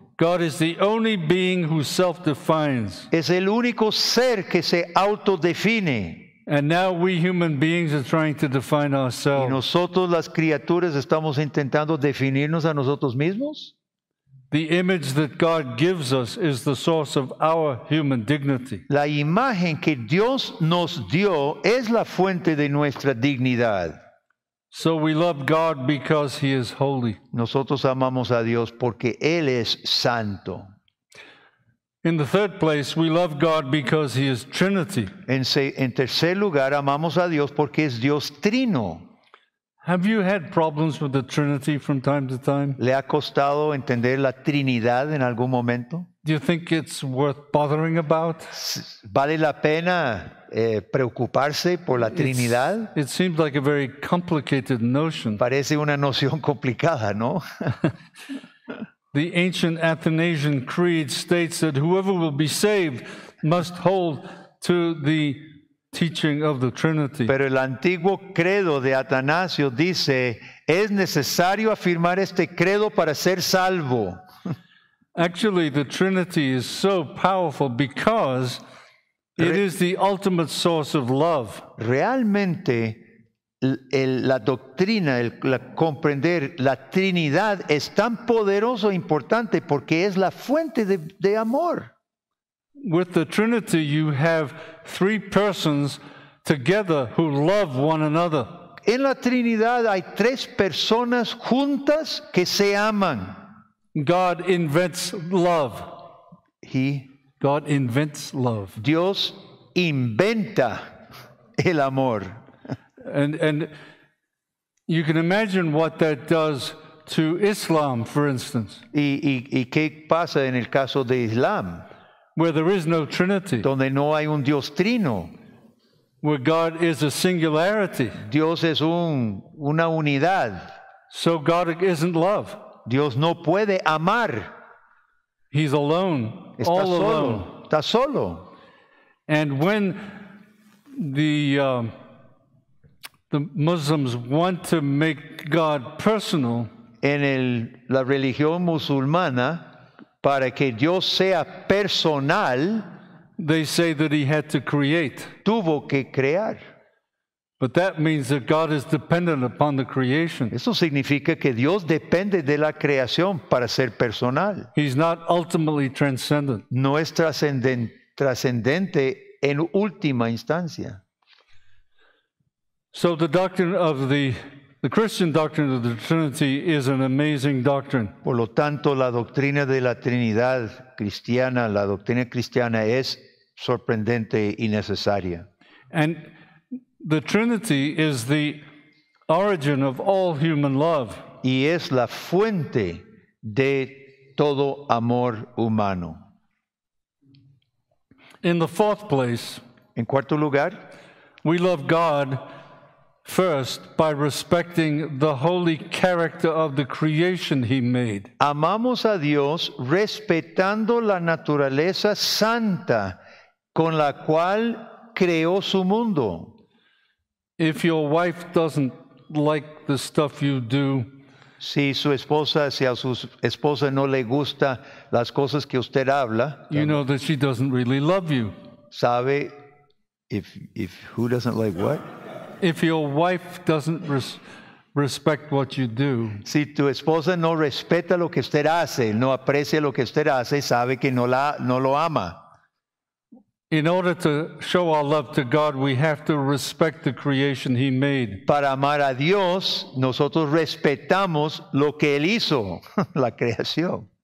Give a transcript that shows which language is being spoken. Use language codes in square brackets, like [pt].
[en] God is the only being who self-defines. [es] Es el único ser que se autodefine. [en] And now we human beings are trying to define ourselves. [es] ¿Y nosotros las criaturas estamos intentando definirnos a nosotros mismos? [en] The image that God gives us is the source of our human dignity. [es] La imagen que Dios nos dio es la fuente de nuestra dignidad. [en] So we love God because he is holy. [es] Nosotros amamos a Dios porque él es santo. [en] In the third place, we love God because he is Trinity. [es] En tercer lugar, amamos a Dios porque es Dios trino. [en] Have you had problems with the Trinity from time to time? [es] ¿Le ha costado entender la Trinidad en algún momento? [en] Do you think it's worth bothering about? [es] ¿Vale la pena preocuparse por la Trinidad? [en] It seems like a very complicated notion. [es] Parece una noción complicada, ¿no? [en] The ancient Athanasian Creed states that whoever will be saved must hold to the teaching of the Trinity. [es] Pero el antiguo credo de Atanasio dice, es necesario afirmar este credo para ser salvo. [en] Actually, the Trinity is so powerful because it is the ultimate source of love. [es] Realmente, la doctrina, la comprender la Trinidad es tan poderoso e importante porque es la fuente de amor. [en] With the Trinity, you have three persons together who love one another. [es] En la Trinidad hay tres personas juntas que se aman. [en] God invents love. He. God invents love. [es] Dios inventa el amor. [en] And you can imagine what that does to Islam, for instance. [es] ¿Y qué pasa en el caso de Islam? [en] Where there is no Trinity. [es] Donde no hay un Dios trino. [en] Where God is a singularity. [es] Dios es una unidad. [en] So God isn't love. [es] Dios no puede amar. [en] He's alone. [es] Está [en] all [es] solo. [en] Alone. [es] Está solo. [en] And when the Muslims want to make God personal, [es] en la religión musulmana, para que Dios sea personal, [en] they say that he had to create. [es] Tuvo que crear. [en] But that means that God is dependent upon the creation. [es] Eso significa que Dios depende de la creación para ser personal. [en] He's not ultimately transcendent. [es] No es trascendente en última instancia. [en] So the doctrine of the Christian doctrine of the Trinity is an amazing doctrine. [es] Por lo tanto, la doctrina de la Trinidad cristiana, la doctrina cristiana es sorprendente y necesaria. [en] And the Trinity is the origin of all human love. [es] Y es la fuente de todo amor humano. [en] In the fourth place, [es] en cuarto lugar, [en] we love God first by respecting the holy character of the creation he made. [es] Amamos a Dios respetando la naturaleza santa con la cual creó su mundo. [en] If your wife doesn't like the stuff you do, [es] si a su esposa no le gusta las cosas que usted habla, [en] you know that she doesn't really love you. [es] Sabe, [en] if who doesn't like what? If your wife doesn't respect what you do, [es] si tu esposa no respeta lo que usted hace, no aprecia lo que usted hace, sabe que no lo ama. [en] In order to show our love to God, we have to respect the creation he made. [es] Para amar a Dios, nosotros respetamos lo que él hizo, la creación.